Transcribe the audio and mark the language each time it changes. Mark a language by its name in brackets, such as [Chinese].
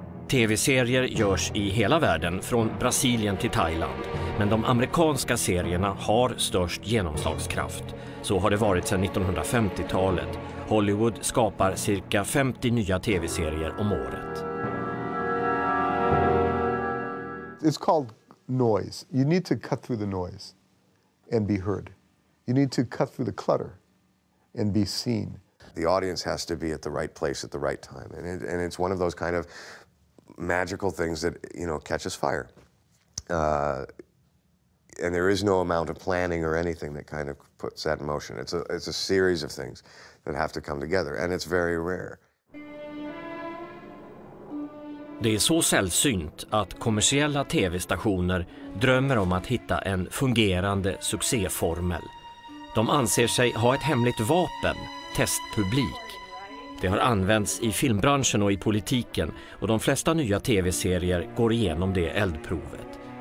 [Swedish] TV-serier görs i hela världen, från Brasilien till Thailand. Men de amerikanska serierna har störst genomslagskraft. Så har det varit sedan 1950-talet. Hollywood skapar cirka 50 nya tv-serier om året. [English] It's called noise. You need to cut through the noise and be heard. You need to cut through the clutter and be seen. The audience has to be at the right place at the right time. And it's one of those kind of magical things that, you know, catches fire. And there is no amount of planning or anything that kind of puts that in motion. It's a series of things that have to come together, and it's very rare. [Swedish] Det är så sällsynt att kommersiella tv-stationer drömmer om att hitta en fungerande succéformel. De anser sig ha ett hemligt vapen, testpublik. Det har använts i filmbranschen och i politiken, och de flesta nya tv-serier går igenom det eldprovet.